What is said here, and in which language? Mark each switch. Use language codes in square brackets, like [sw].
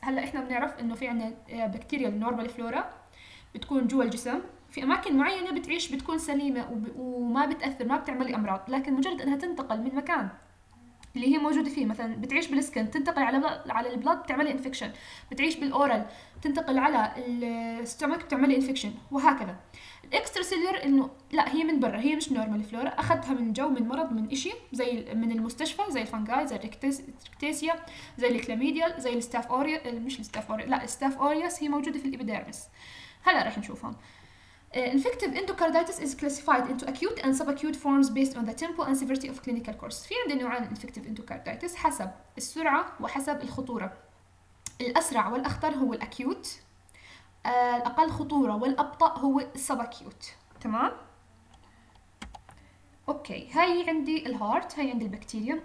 [ar] هلا احنا بنعرف انه في عندنا بكتيريا النورمال فلورا بتكون جوا الجسم، في اماكن معينه بتعيش بتكون سليمه وما بتاثر ما بتعمل امراض، لكن مجرد انها تنتقل من مكان اللي هي موجوده فيه، مثلا بتعيش بالسكن تنتقل على البلاد بتعمل انفكشن، بتعيش بالاورال تنتقل على الستومك بتعمل انفكشن، وهكذا. الاكسترا سيلر انه لا هي من برا، هي مش نورمال فلورا، اخذتها من جو من مرض من إشي زي من المستشفى، زي الفانجاي، زي الريكتاسيا، زي الكلاميديا، زي الستاف اوريا، مش الستاف اوريا، لا الستاف اورياس هي موجوده في الابيديرمس. هلا رح نشوفهم. [en] Infective endocarditis is classified into acute and subacute forms based on the tempo and severity of clinical course. [ar] في عندنا نوعان infective endocarditis حسب السرعة وحسب الخطورة. الأسرع والأخطر هو الأكيوت، الأقل خطورة والأبطأ هو subacute. تمام؟ أوكي، هاي عندي الهارت، هاي عندي البكتيريا.